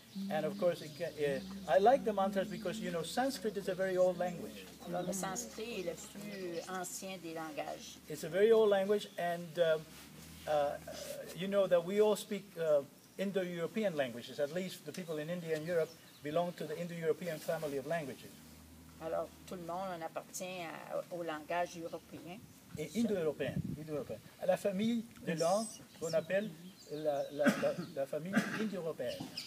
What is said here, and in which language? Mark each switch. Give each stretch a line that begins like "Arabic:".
English: And of course, it can, I like the mantras because, you know, Sanskrit is a very old language.
French: Alors, le sanskrit est le plus ancien des langages.
English: It's a very old language, and you know that we all speak Indo-European languages. At least the people in India and Europe belong to the Indo-European family of languages.
French: Alors, tout le monde en appartient au langage européen. Et Indo-européen, Indo-européen. À la famille de langues qu'on appelle la famille Indo-européenne.